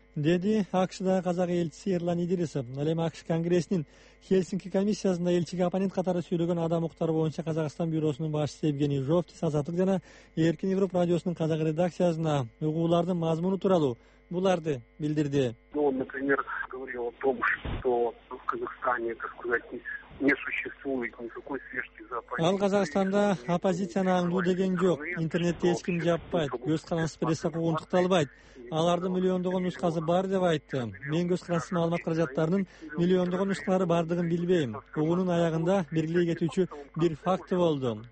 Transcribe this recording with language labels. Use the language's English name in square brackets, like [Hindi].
[Kyrgyz] Деди АКШдагы казак элчиси Ерлан Идрисов. Ал эми АКШ Конгрессинин Хельсинки комиссиясында элчиге оппонент катары сүйлөгөн адам укуктары боюнча Казакстан бюросунун башчысы Евгений Жовтис Азаттык жана Эркин Европа радиосунун казак редакциясына угуулардын мазмуну тууралуу буларды билдирди. [Russian] Например, говорил о том, что в Казахстане, так сказать, не существует никакой свежки за оппозицию. [Kyrgyz] Ал Казахстанда оппозицияны аңдуу деген жок, интернетти эч ким жаппайт, көз карансыз пресса куугунтукталбайт. Алардын миллиондогон нускасы бар деп айтты. Мен көз карансыз маалымат каражаттарынын миллиондогон нускалары бардыгын билбейм. Угуунун аягында белгилей кетүүчү бир факт болду.